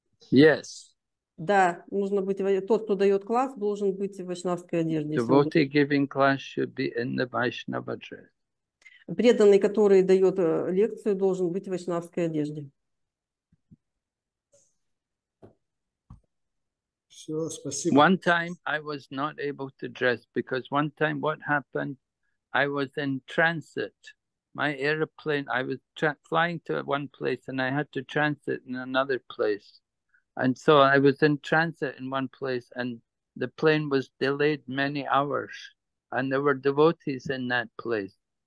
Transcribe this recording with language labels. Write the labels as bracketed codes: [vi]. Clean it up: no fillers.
[en] Yes. [ru] Да, нужно быть тот, кто дает класс, должен быть в вайшнавской одежде. [en] Devotee giving class should be in the Vaishnava dress. [ru] Преданный, который дает лекцию, должен быть в вайшнавской одежде. [en] One time I was not able to dress because one time what happened, I was in transit. My airplane, I was flying to one place and I had to transit in another place. And so I was in transit in one place and the plane was delayed many hours and there were devotees in that place.